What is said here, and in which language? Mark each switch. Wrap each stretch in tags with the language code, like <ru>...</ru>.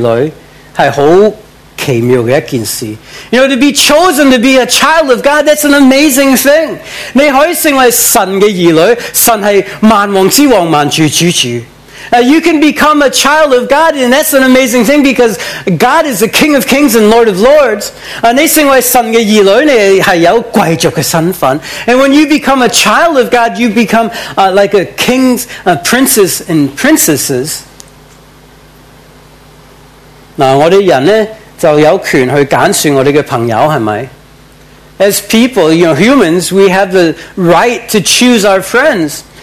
<zh>被神揀選作神的兒女是很奇妙的一件事。</zh> <en>You know, to be chosen to be a child of God, that's an amazing thing.</en> <zh>你可以成為神的兒女, 神是萬王之王萬主主主。</zh> <en>You can become a child of God, and that's an amazing thing because God is the King of Kings and Lord of Lords.</en> <zh>你成為神的兒女,你是有貴族的身份。</zh> <en>And when you become a child of God, you become like a king's princes and princesses.</en> <zh>我們人呢,就有權去揀選我們的朋友,是不是?</zh> <en>As people, you know, humans, we have the right to choose our friends.</en>